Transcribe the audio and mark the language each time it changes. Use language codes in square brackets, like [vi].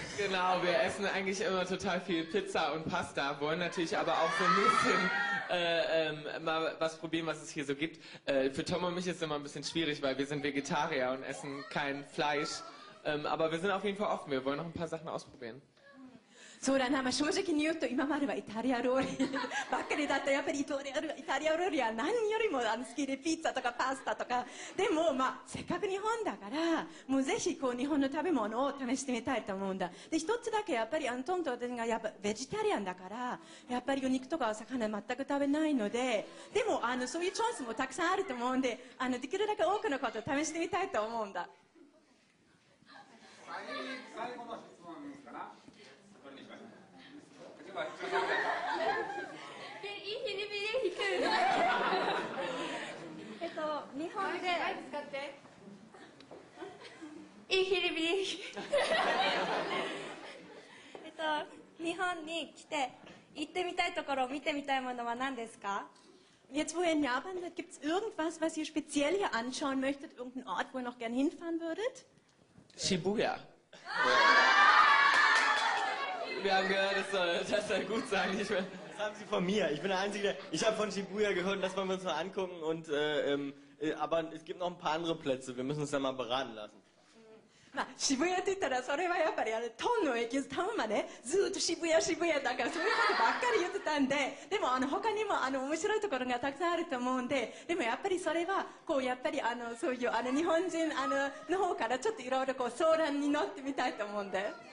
[de] Genau, wir essen eigentlich immer total viel Pizza und Pasta, wollen natürlich aber auch so ein bisschen mal was probieren, was es hier so gibt. Für Tom und mich ist es immer ein bisschen schwierig, weil wir sind Vegetarier und essen kein Fleisch. Aber wir sind auf jeden Fall offen, wir wollen noch ein paar Sachen ausprobieren. [ja] そうだな、まあ、正直に言うと今まではイタリア料理ばっかりだった。やっぱりイタリア料理は何よりも好きで、ピッツァとかパスタとか。でも、まあ、せっかく日本だからもうぜひこう日本の食べ物を試してみたいと思うんだ。で一つだけやっぱりアントンと私がやっぱベジタリアンだから、やっぱりお肉とかお魚全く食べないので、でもあのそういうチャンスもたくさんあると思うんで、あのできるだけ多くのことを試してみたいと思うんだ。最後の質問ですかな。いい日にビリー引く。日本で使っていい日にビリー引く。日本に来て行ってみたいところ、見てみたいものは何ですか？ [de] Jetzt wo ihr in Japan seid, gibt's irgendwas, was ihr speziell hier anschauen möchtet, irgendein Ort, wo ihr noch gern hinfahren würdet? Shibuya. Wir haben gehört, das soll gut sein. Ich bin, das haben Sie von mir. Ich bin der Einzige, der. Ich habe von Shibuya gehört, das wollen wir uns mal angucken. Und, aber es gibt noch ein paar andere Plätze, wir müssen uns da mal beraten lassen. Shibuya, das ist ja so, dass wir ja Ton [ja] のエキス、タムまでずっと渋谷、渋谷だからそういうことばっかり言ってたんで、でも他にも面白いところがたくさんあると思うんで、でもやっぱりそれはこうやっぱり日本人の方からちょっといろいろこう相談に乗ってみたいと思うんで。